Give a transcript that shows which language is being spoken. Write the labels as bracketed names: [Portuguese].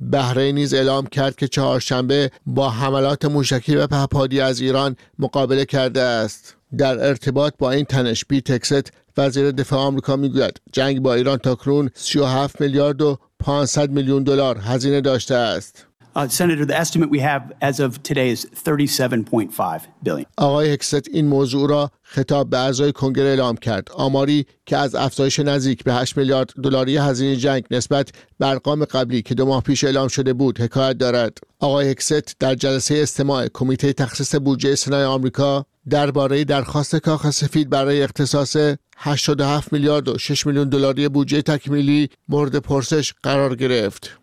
[Persian] بحرین نیز اعلام کرد که چهارشنبه با حملات موشکی و پهپادی از ایران مقابله کرده است. در ارتباط با این تنش، پیت تکست وزیر دفاع آمریکا میگوید جنگ با ایران تا کنون 37 میلیارد و 500 میلیون دلار هزینه داشته است. [English] Senator, the estimate we have as of today is 37.5 billion. [Persian] آقای هکست این موضوع را خطاب به اعضای کنگره اعلام کرد. آماری که از افزایش نزدیک به 8 میلیارد دلاری هزینه جنگ نسبت به ارقام قبلی که 2 ماه پیش اعلام شده بود، حکایت دارد. آقای هکست در جلسه استماع کمیته تخصیص بودجه سنای آمریکا درباره درخواست کاخ سفید برای اختصاص 87 میلیارد و 6 میلیون دلاری بودجه تکمیلی مورد پرسش قرار گرفت.